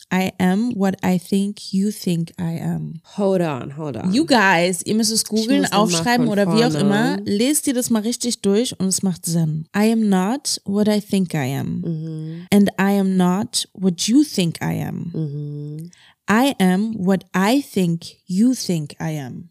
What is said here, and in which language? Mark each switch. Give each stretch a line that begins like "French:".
English: I am what I think you think I am. Hold on, hold on. You guys,
German: ihr müsst es googeln, aufschreiben oder wie auch immer. Lest ihr das mal richtig durch und es macht Sinn.
English: I am not what I think I am. Mm-hmm. And I am not what you think I am. Mm-hmm. I am what I think you think I am.